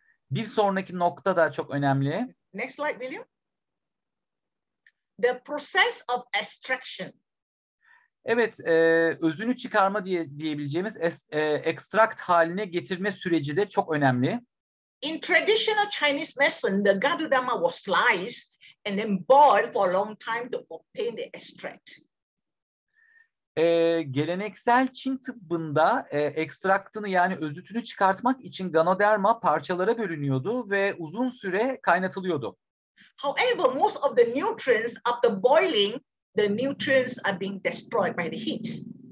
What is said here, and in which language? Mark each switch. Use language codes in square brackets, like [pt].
[tr] Bir sonraki nokta da çok önemli. [en] Next slide, William. The process of extraction. [tr] Evet, özünü çıkarma diyebileceğimiz ekstrakt haline getirme süreci de çok önemli. [en] In traditional Chinese medicine, the Ganoderma was sliced and then boiled for a long time to obtain the extract. [tr] Geleneksel Çin tıbbında ekstraktını yani özütünü çıkartmak için ganoderma parçalara bölünüyordu ve uzun süre kaynatılıyordu. [en] However, most of the nutrients after boiling, the nutrients are being destroyed by the heat.